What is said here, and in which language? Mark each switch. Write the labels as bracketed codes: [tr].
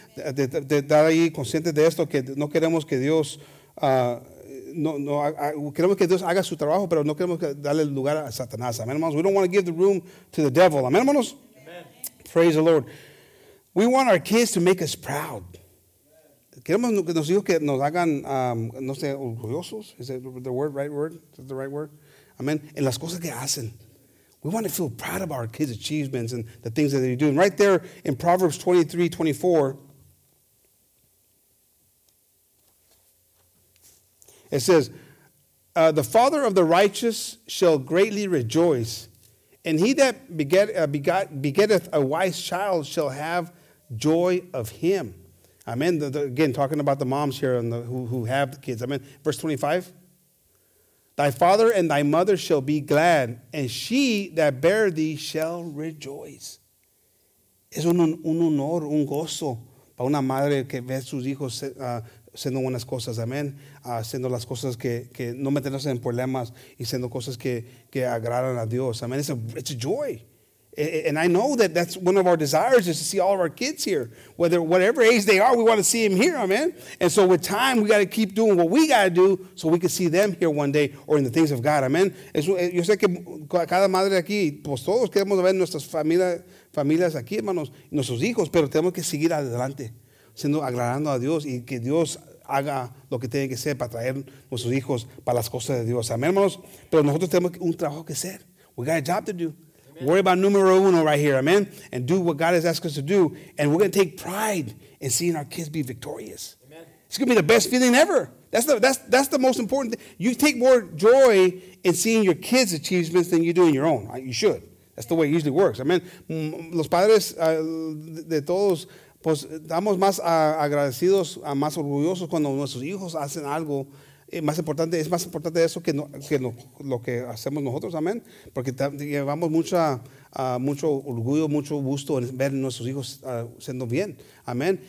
[es] De estar ahí conscientes de esto, que no queremos que Dios, queremos que Dios haga su trabajo, pero no queremos darle lugar a Satanás. Amén, hermanos. [en] We don't want to give the room to the devil. Amén, hermanos. Amen. Praise the Lord. We want our kids to make us proud. [es] Queremos que nuestros hijos que nos hagan, no sé, orgullosos. [en] Is that the word, right word? Is that the right word? Amen. [es] En las cosas que hacen. [en] We want to feel proud of our kids' achievements and the things that they're doing. Right there in Proverbs 23:24, it says, the father of the righteous shall greatly rejoice, and he that begetteth a wise child shall have joy of him. Amen. Again, talking about the moms here and who have the kids. Amen. Verse 25. Thy father and thy mother shall be glad, and she that bare thee shall rejoice. [es] Es un honor, un gozo para una madre que ve a sus hijos haciendo buenas cosas, amén, haciendo las cosas que no meterse en problemas y haciendo cosas que agradan a Dios, amén. [en] It's a joy. And I know that that's one of our desires, is to see all of our kids here. Whether whatever age they are, we want to see them here, amen? And so with time, we got to keep doing what we got to do so we can see them here one day or in the things of God, amen? [es] Yo sé que cada madre aquí, pues todos queremos ver nuestras familias aquí, hermanos, nuestros hijos, pero tenemos que seguir adelante, siendo agradando a Dios y que Dios haga lo que tiene que hacer para traer nuestros hijos para las cosas de Dios, amen, hermanos? Pero nosotros tenemos un trabajo que hacer. [en] We got a job to do. Worry about numero uno right here, amen? And do what God has asked us to do. And we're going to take pride in seeing our kids be victorious. Amen. It's going to be the best feeling ever. That's the most important thing. You take more joy in seeing your kids' achievements than you do in your own. Right? You should. That's the way it usually works, amen? [es] Los padres de todos, pues, estamos más agradecidos, más orgullosos cuando nuestros hijos hacen algo. Es más importante eso que lo que hacemos nosotros, amén. Porque llevamos mucho orgullo, mucho gusto en ver nuestros hijos siendo bien, amén.